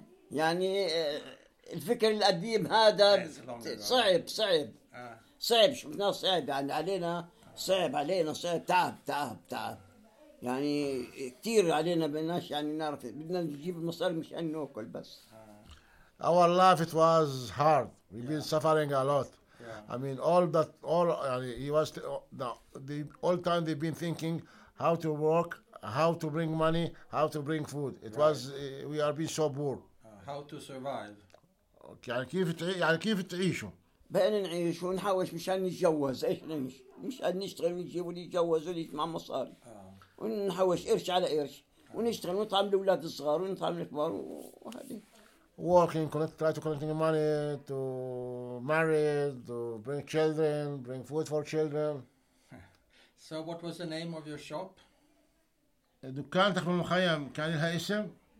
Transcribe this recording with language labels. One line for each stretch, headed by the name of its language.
Arabic: يعني الفكر القديم هذا صعب. صعب شفنا صعب يعني علينا صعب علينا صعب تعب يعني كتير علينا بدناش يعني نعرف بدنا نجيب المصاري مش أن نأكل بس.
English: Our life it was hard. We've been suffering a lot. I mean all the time they've been thinking how to work, how to bring money, how to bring food. We are being so poor. How to survive.
Arabic: يعني كيف تعيشوا؟ بقينا نعيش ونحوش مشان نتجوز ايش نعيش مشان نشتغل ونجيب ونتجوز ونجمع مصاري ونحوش قرش على قرش ونشتغل ونطعم الاولاد الصغار ونطعم الكبار وهذه
English: working try to collect money to marry to bring children bring food for children. So what was the name of your shop?
Arabic: دكان تخبر المخيم كان لها اسم؟